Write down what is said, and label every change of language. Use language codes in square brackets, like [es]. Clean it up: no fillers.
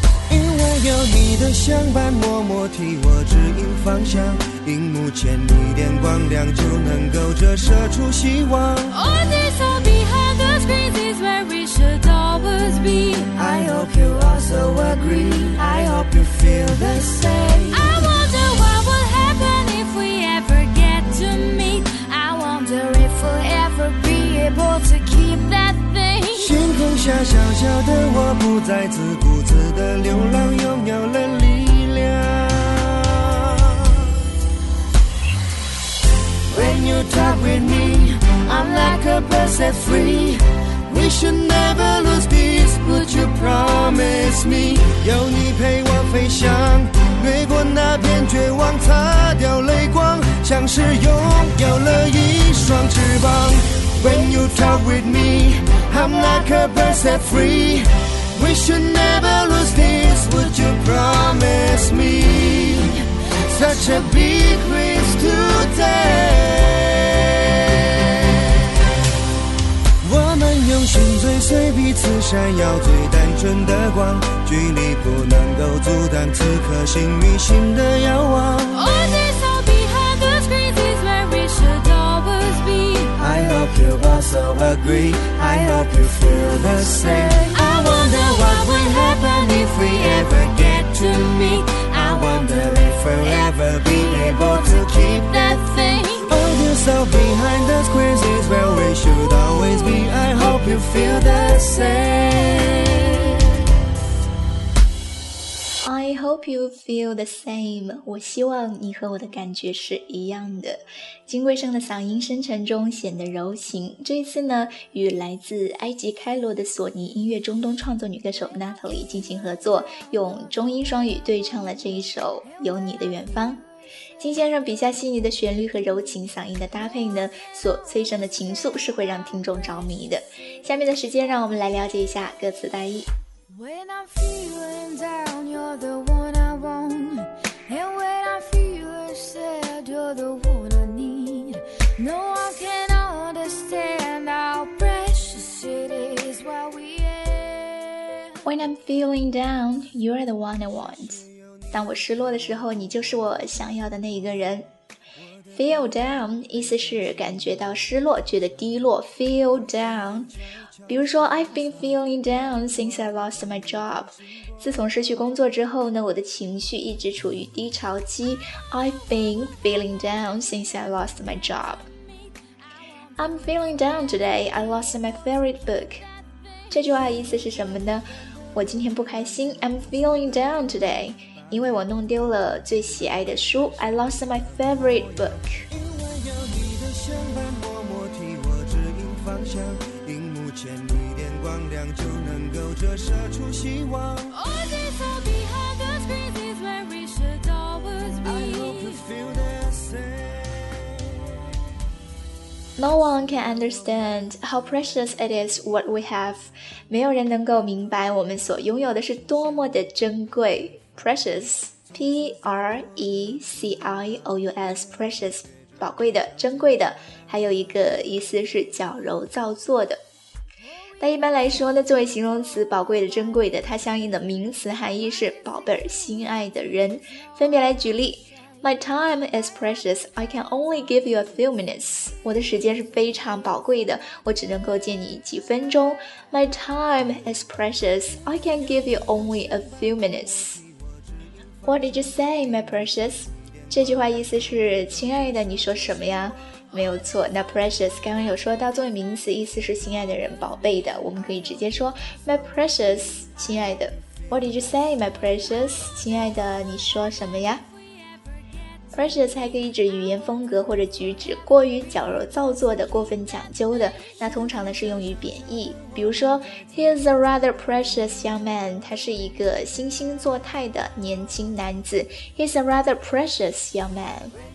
[zh] 因为有你的相伴，默默替我指引方向，荧幕前一点光亮就能够折射出希望。 [en] All this all behind the screens is where we should always be. I hope you also agree. I hope you feel the same. I wonder what would happen if we ever get to meet. I wonder if we'll ever be able to keep that thing. [zh] 星空下小小的我不再自顾自的流浪，拥有了力量。 [en] When you talk with me, I'm like a bird set free. We should never lose peace, would you promise me? [zh] 有你陪我飞翔，越过那片绝望，擦掉泪光，像是拥有了一双翅膀。 [en] When you talk with me, I'm like a bird set free. We should never lose peace, would you promise me? Such a big risk to take. [zh] 心追随彼此闪耀最单纯的光，距离不能够阻挡此刻心与心的遥望。 [en] All this all behind the screens is where we should always be. I hope you also agree. I hope you feel the same. I wonder what would happen if we ever get to meet. I wonder if we'll ever be able to keep that thing. All this all behind the screens is where we should always be. I hopeYou feel the same. I hope you feel the same. [zh] 我希望你和我的感觉是一样的。金贵胜的嗓音深沉中显得柔情，这一次呢与来自埃及开罗的索尼音乐中东创作女歌手 Natalie 进行合作，用中英双语对唱了这一首《有你的远方》。金先生笔下细腻的旋律和柔情嗓音的搭配呢，所催生的情愫是会让听众着迷的。下面的时间让我们来了解一下歌词大意。 [en] When I'm feeling down, you're the one I want. And when I feel sad, you're the one I need. No one can understand how precious it is. When I'm feeling down, you are the one I want. [zh] 当我失落的时候，你就是我想要的那一个人。Feel down 意思是感觉到失落，觉得低落。 [en] Feel down， [zh] 比如说 [en] I've been feeling down since I lost my job。 [zh] 自从失去工作之后呢，我的情绪一直处于低潮期。 [en] I've been feeling down since I lost my job。 I'm feeling down today. I lost my favorite book. [zh] 这句话的意思是什么呢？我今天不开心。 [en] I'm feeling down today. [zh] 因为我弄丢了最喜爱的书 [en] I lost my favorite book [zh] 因为有你的相伴默默替我指引方向荧幕前一点光亮就能够折射出希望 [en] All this will be hard the screen is where we should always be I hope you feel the same No one can understand how precious it is what we have [zh] 没有人能够明白我们所拥有的是多么的珍贵Precious, P-R-E-C-I-O-U-S, precious, 宝贵的、珍贵的，还有一个意思是矫揉造作的。但一般来说呢，作为形容词，宝贵的、珍贵的，它相应的名词含义是宝贝儿、心爱的人。分别来举例 [en] ,My time is precious, I can only give you a few minutes. [zh] 我的时间是非常宝贵的，我只能够见你几分钟。 [en] My time is precious, I can give you only a few minutes. What did you say, my precious? [zh] 这句话意思是亲爱的你说什么呀没有错那 precious 刚刚有说到作为名词意思是亲爱的人宝贝的我们可以直接说 my precious, 亲爱的 [en] What did you say, my precious? [zh] 亲爱的你说什么呀 Precious 还可以指语言风格或者举止过于矫揉造作的过分讲究的那通常呢是用于贬义比如说 [en] He is a rather precious young man [zh] 他是一个惺惺作态的年轻男子 [en] He's a rather precious young man